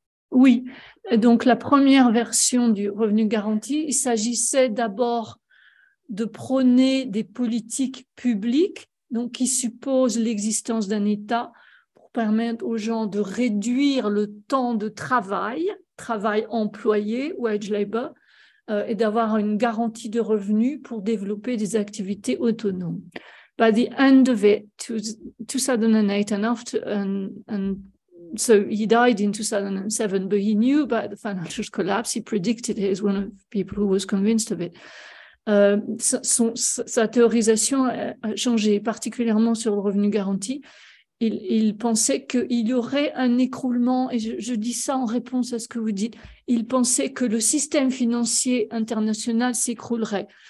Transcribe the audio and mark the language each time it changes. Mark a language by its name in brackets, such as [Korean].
[French] Oui, donc la première version du revenu garanti, il s'agissait d'abord de prôner des politiques publiques donc qui suppose l'existence d'un État pour permettre aux gens de réduire le temps de travail, travail employé, wage labor, et d'avoir une garantie de revenus pour développer des activités autonomes. [English] By the end of it, 2008, and so he died in 2007, but he knew about the financial collapse, he predicted it, he was one of the people who was convinced of it. [French] Sa théorisation a changé, particulièrement sur le revenu garanti. Il pensait qu'il y aurait un écroulement, et je dis ça en réponse à ce que vous dites, il pensait que le système financier international s'écroulerait.